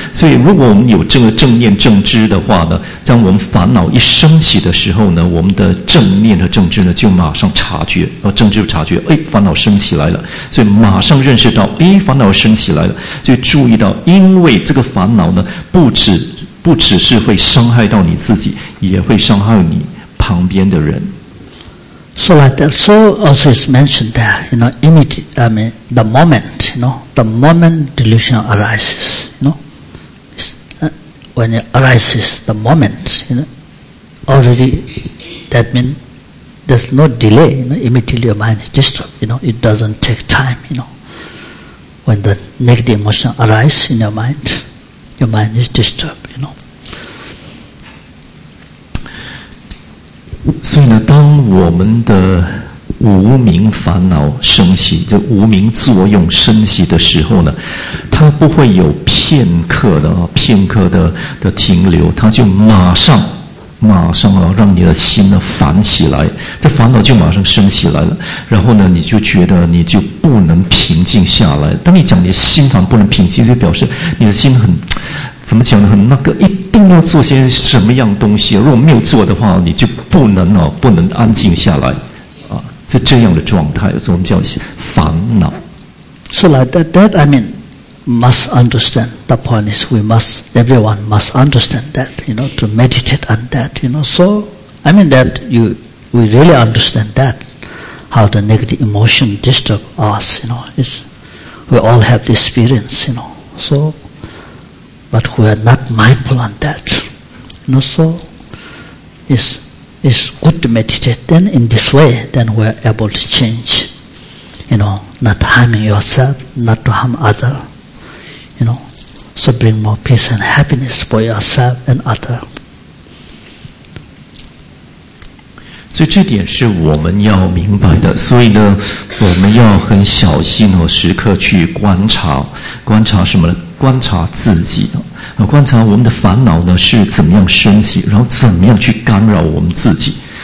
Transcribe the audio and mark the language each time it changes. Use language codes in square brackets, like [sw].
[zh] 所以如果我们有这个正念正知的话呢，当我们烦恼一升起的时候呢，我们的正念和正知呢就马上察觉，正知察觉，哎，烦恼升起来了，所以马上认识到，哎，烦恼升起来了，就注意到，因为这个烦恼呢不只是会伤害到你自己，也会伤害你旁边的人。 [en] So like that, so also it's mentioned that, you know, the moment, you know, the moment delusion arises, you know, when it arises, the moment, you know, already, that means there's no delay, you know, immediately your mind is disturbed, you know, it doesn't take time, you know, when the negative emotion arises in your mind is disturbed, you know. [zh] 所以呢，当我们的无明烦恼升起，就无明作用升起的时候呢，它不会有片刻的停留，它就马上啊，让你的心呢烦起来，这烦恼就马上升起来了。然后呢，你就觉得你就不能平静下来。当你讲你心烦不能平静，就表示你的心很。怎么讲呢？很那个，一定要做些什么样东西、啊？如果没有做的话，你就不能安静下来，啊，是这样的状态，所以我们叫烦恼。 [en] So like that, I mean, must understand. The point is, everyone must understand that, you know, to meditate on that, you know. So, I mean that we really understand that how the negative emotion disturb us, you know. Is we all have the experience, you know. So. But we are not mindful on that. You know, so it's good to meditate. Then in this way, then we are able to change, you know, not harming yourself, not to harm other. You know, so bring more peace and happiness for yourself and other. [zh] 所以这点是我们要明白的，所以呢，我们要很小心哦，时刻去观察，观察什么？观察自己，观察我们的烦恼呢是怎么样升起，然后怎么样去干扰我们自己。